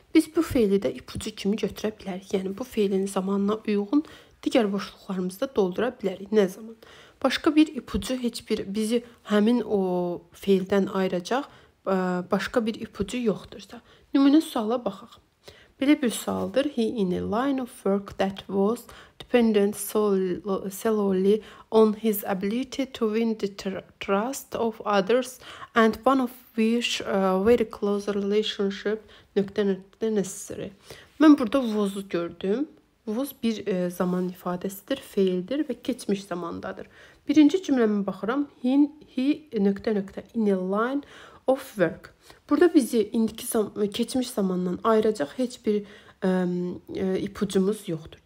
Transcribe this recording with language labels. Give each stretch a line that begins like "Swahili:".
Azerbaijani: Biz bu fiili də ipucu kimi götürə bilərik. Yəni, bu fiilin zamanına uyğun digər boşluqlarımızı da doldura bilərik. Nə zaman? Başqa bir ipucu heç bir bizi həmin o fiildən ayıracaq başqa bir ipucu yoxdursa. Nümunə suala baxaq. Belə bir sualdır.
English: He in a line of work that was dependent solely on his ability to win the trust of others and one of which very close relationship necessary.
Azerbaijani: Mən burada was'u gördüm. Was bir zaman ifadəsidir, feildir və keçmiş zamandadır. Birinci cümləmə baxıram.
English: He in a line of work.
Azerbaijani: Burada bizi indiki keçmiş zamandan ayıracaq heç bir ipucumuz yoxdur.